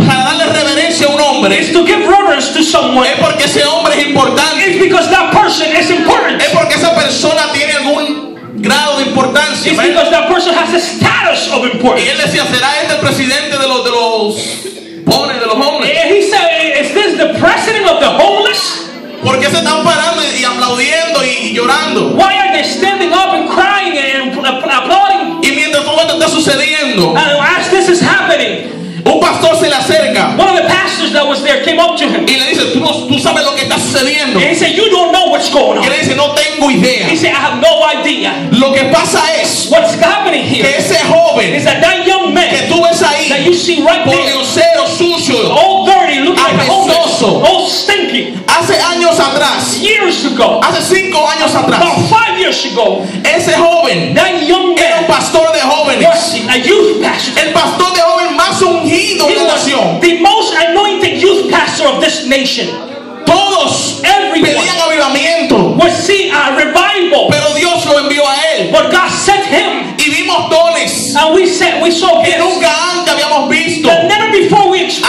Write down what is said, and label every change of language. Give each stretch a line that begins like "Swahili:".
Spanish: para darle reverencia a un hombre,
English: is to give reverence to someone,
Spanish: es porque ese hombre es importante.
English: It's because that person is important.
Spanish: Es porque esa persona tiene algún grado de importancia.
English: It's because that person has a status of importance.
Spanish: Y él decía, ¿será este el presidente de los pobres, de los hombres?
English: He said, is this the president of the homeless?
Spanish: ¿Por qué se están parando y aplaudiendo y llorando?
English: Why are they standing up and crying and applauding?
Spanish: Y mientras todo esto está sucediendo,
English: as this is happening,
Spanish: un pastor se le acerca.
English: One of the pastors that was there came up to him.
Spanish: Y le dice, ¿tú sabes lo que está sucediendo?
English: And he said, you don't know what's going on.
Spanish: Y le dice, no tengo idea.
English: He said, I have no idea.
Spanish: Lo que pasa es,
English: what's happening here,
Spanish: que ese joven,
English: is that young man,
Spanish: que tú ves ahí,
English: that you see right
Spanish: por
English: there,
Spanish: el cero sucio,
English: all dirty, looking like homeless, all stinky.
Spanish: Hace años atrás,
English: years ago,
Spanish: hace 5 años atrás,
English: about 5 years ago,
Spanish: ese joven,
English: that young man,
Spanish: era un pastor de jóvenes,
English: a youth pastor,
Spanish: el pastor de joven más ungido de la nación,
English: the most anointed youth pastor of this nation.
Spanish: Todos,
English: everyone,
Spanish: pedían avivamiento,
English: would see a revival,
Spanish: pero Dios lo envió a él,
English: but God sent him,
Spanish: y vimos dones,
English: and we saw gifts,
Spanish: que nunca antes habíamos visto,
English: that never before we experienced,